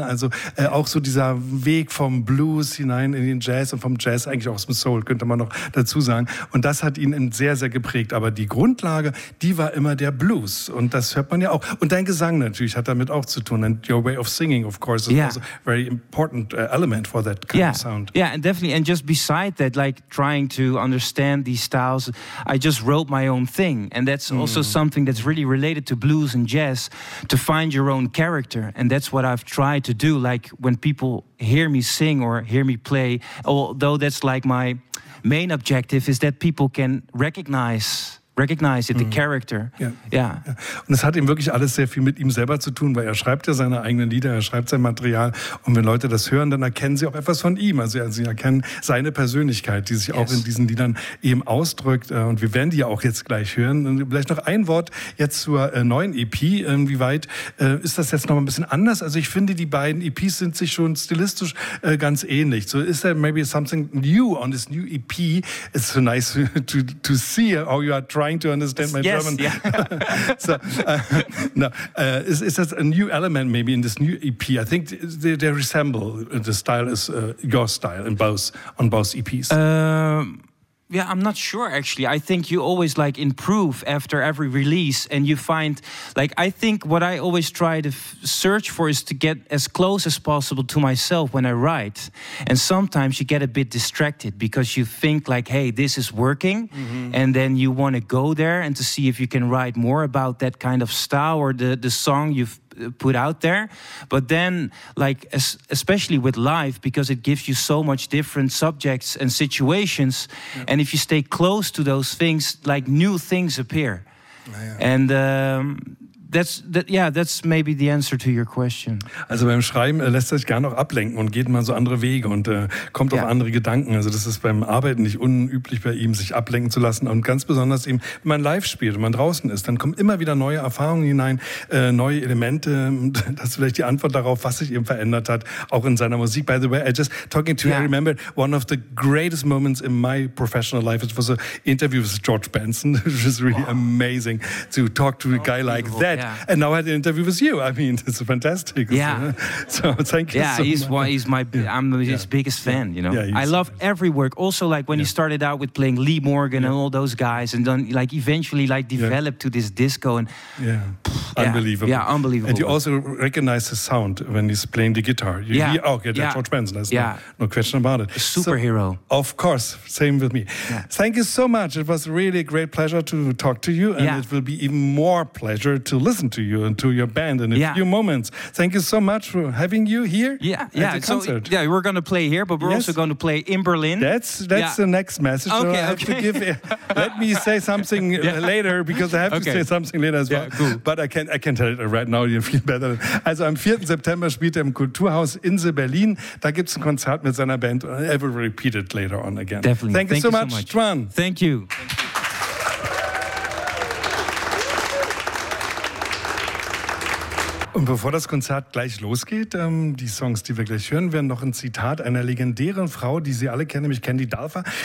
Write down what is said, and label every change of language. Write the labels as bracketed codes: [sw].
[de] Also auch so dieser Weg vom Blues hinein in den Jazz und vom Jazz eigentlich auch aus dem Soul, könnte man noch dazu sagen. Und das hat ihn sehr, sehr geprägt. Aber die Grundlage, die war immer der Blues und das hört man ja auch. Und dein Gesang natürlich hat damit auch zu tun. [en] And your way of singing, of course, is also a very important element for that kind of sound. Yeah, and definitely. And just beside that, like trying to understand these styles, I just wrote my own thing. And that's also something that's really related to blues and jazz, to find your own character. And that's what I've tried to do. Like when people hear me sing or hear me play, although that's like my... main objective is that people can recognize it, the character. [de] Und es hat eben wirklich alles sehr viel mit ihm selber zu tun, weil er schreibt ja seine eigenen Lieder, er schreibt sein Material, und wenn Leute das hören, dann erkennen sie auch etwas von ihm. Also sie erkennen seine Persönlichkeit, die sich auch in diesen Liedern eben ausdrückt. Und wir werden die ja auch jetzt gleich hören. Und vielleicht noch ein Wort jetzt zur neuen EP. Inwieweit ist das jetzt noch ein bisschen anders? Also ich finde, die beiden EPs sind sich schon stilistisch ganz ähnlich. [en] So is there maybe something new on this new EP? It's so nice to see how you are trying to understand my German. Yes, yeah. is that a new element maybe in this new EP? I think they resemble, the style is your style on both EPs. I'm not sure actually. I think you always like improve after every release, and you find, like, I think what I always try to search for is to get as close as possible to myself when I write. And sometimes you get a bit distracted because you think like, hey, this is working. And then you want to go there and to see if you can write more about that kind of style or the song you've put out there. But then, like, especially with live, because it gives you so much different subjects and situations. Yeah. And if you stay close to those things, like, new things appear. And that's maybe the answer to your question. [de] Also beim Schreiben lässt er sich gar noch ablenken und geht mal so andere Wege und kommt auf andere Gedanken. Also das ist beim Arbeiten nicht unüblich bei ihm, sich ablenken zu lassen. Und ganz besonders eben, wenn man live spielt und man draußen ist, dann kommen immer wieder neue Erfahrungen hinein, neue Elemente. Das ist vielleicht die Antwort darauf, was sich eben verändert hat, auch in seiner Musik. [en] By the way, I remember one of the greatest moments in my professional life. It was an interview with George Benson. It was really amazing to talk to a guy like that. Yeah. And now I had an interview with you. I mean, it's fantastic. Yeah. So thank you so much. I'm his biggest fan, you know. Yeah, I love every work. Also, like, when he started out with playing Lee Morgan and all those guys, and then, like, eventually, like, developed to this disco. And unbelievable. Yeah, unbelievable. And you also recognize the sound when he's playing the guitar. George Benson. No question about it. Superhero. So, of course. Same with me. Yeah. Thank you so much. It was really a great pleasure to talk to you. And it will be even more pleasure to listen to you and to your band in a few moments. Thank you so much for having you here at the concert. So, we're going to play here, but we're also going to play in Berlin. That's the next message. Okay, let me say something later, because I have to say something later as well. Cool. But I can tell it right now, you feel better. [de] Also am 4. September spielt er im Kulturhaus Insel Berlin. Da gibt es ein Konzert mit seiner Band. [en] I will repeat it later on again. Definitely. Thank you so much, Juan. Thank you. [de] Und bevor das Konzert gleich losgeht, die Songs, die wir gleich hören werden, noch ein Zitat einer legendären Frau, die Sie alle kennen, nämlich Candy Dulfer.